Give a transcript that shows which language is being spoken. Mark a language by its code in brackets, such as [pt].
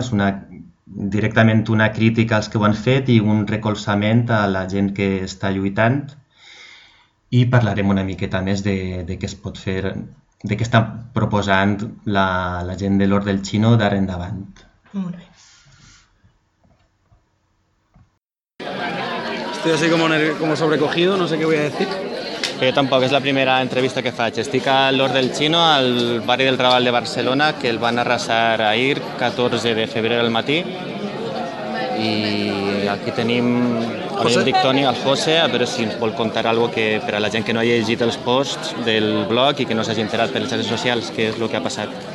[ca] És una, directament una crítica als que ho han fet i un recolzament a la gent que està lluitant. I parlarem una miqueta més de què es pot fer, de què està proposant la gent de l'Hort del Xino d'ara endavant. Molt bé. [es] Estoy así como sobrecogido, no sé qué voy a decir. Yo tampoco, es la primera entrevista [ca] que faig. Estic a l'Hort del Xino, al barri del Raval de Barcelona, que el van arrasar ahir, 14 de febrer al matí. I aquí tenim el Dic Toni, el José, a veure si ens vol contar alguna cosa que, per a la gent que no ha llegit els posts del blog i que no s'hagi enterat per les xarxes socials, què és el que ha passat.